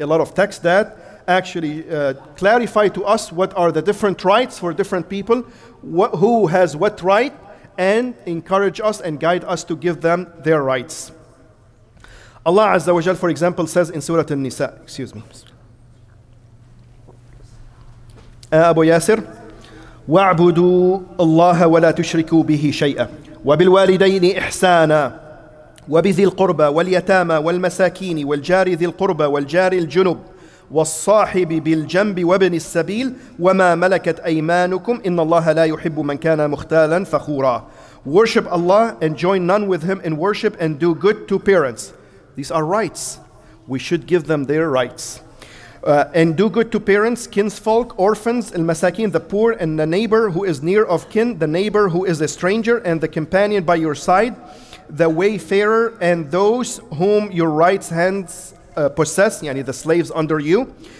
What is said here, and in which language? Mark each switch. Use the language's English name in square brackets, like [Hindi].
[English] A lot of texts that actually clarify to us what are the different rights for different people, who has what right, and encourage us and guide us to give them their rights. Allah Azza wa Jal, for example, says in Surah An-Nisa, excuse me. [Arabic] Abu Yasir, وَاعْبُدُوا اللَّهَ وَلَا تُشْرِكُوا بِهِ شَيْئًا وَبِالْوَالِدَيْنِ إِحْسَانًا وَبِذِي الْقُرْبَى وَالْيَتَامَى وَالْمَسَاكِينِ وَالْجَارِ ذِي الْقُرْبَى وَالْجَارِ الْجُنُبِ والصاحب بالجنب وابن السبيل وما ملكت أيمانكم إن الله لا يحب من كان مختالا فخورا. [English] Worship Allah and join none with him in worship, and do good to parents. These are rights. We should give them their rights. And do good to parents, kinsfolk, orphans, al-masakin, the poor, and the neighbor who is near of kin, the neighbor who is a stranger, and the companion by your side, the wayfarer, and those whom your right hands possess, yani the slaves under you.